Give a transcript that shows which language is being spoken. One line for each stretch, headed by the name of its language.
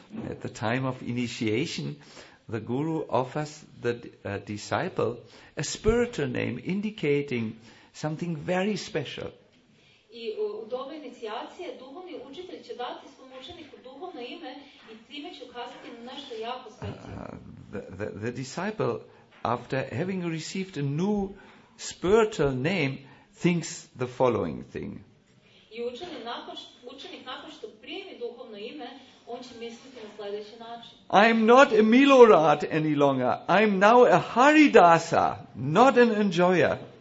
English: At the time of initiation, the guru offers the disciple a spiritual name indicating something very special.
Serbian: I u dobu inicijacije duhovni učitelj će dati svom učeniku duhovno ime i time će ukazati na nešto jako specijalno.
English: The disciple, after having received a new spiritual name, thinks the following thing.
Serbian: I učenik nakon što primi duhovno ime, on će misliti na sljedeći način.
English: I'm not a Milorad any longer. I'm now a Haridasa, not an enjoyer.